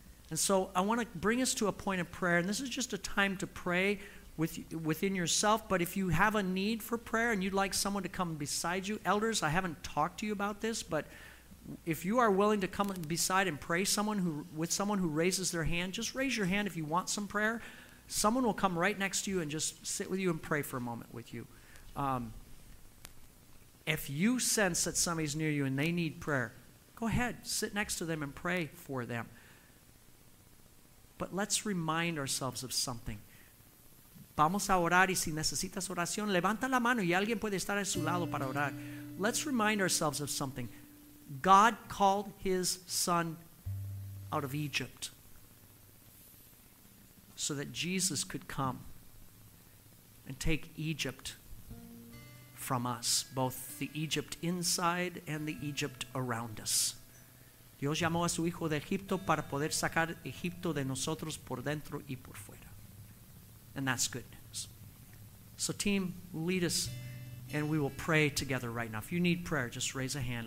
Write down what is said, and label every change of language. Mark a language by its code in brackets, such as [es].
[en] And so I want to bring us to a point of prayer, and this is just a time to pray within yourself, but if you have a need for prayer and you'd like someone to come beside you, elders, I haven't talked to you about this, but if you are willing to come beside and pray with someone who raises their hand, just raise your hand if you want some prayer. Someone will come right next to you and just sit with you and pray for a moment with you. If you sense that somebody's near you and they need prayer, go ahead, sit next to them and pray for them. But let's remind ourselves of something. [es] Vamos a orar, y si necesitas oración, levanta la mano y alguien puede estar a su lado para orar. [en] Let's remind ourselves of something. God called his son out of Egypt so that Jesus could come and take Egypt from us, both the Egypt inside and the Egypt around us. [es] Dios llamó a su hijo de Egipto para poder sacar Egipto de nosotros por dentro y por fuera. [en] And that's good news. So team, lead us, and we will pray together right now. If you need prayer, just raise a hand.